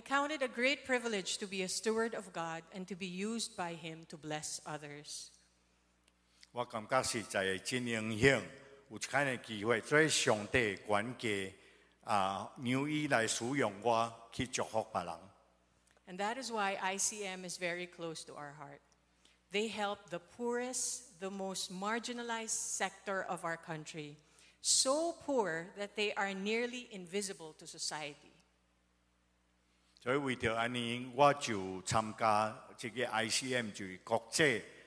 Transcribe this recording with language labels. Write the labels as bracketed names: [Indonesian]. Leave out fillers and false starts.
[English] count it a great privilege to be a steward of God and to be used by Him to bless others. [Min Nan Chinese] 我感觉实在真荣幸，有这样的机会，做上帝管家，让伊来使用我去祝福别人。And [English] that is why ICM is very close to our heart. They help the poorest, the most marginalized sector of our country, so poor that they are nearly invisible to society. [Min Nan Chinese] 所以为着安尼，我就参加这个 ICM 就是国际。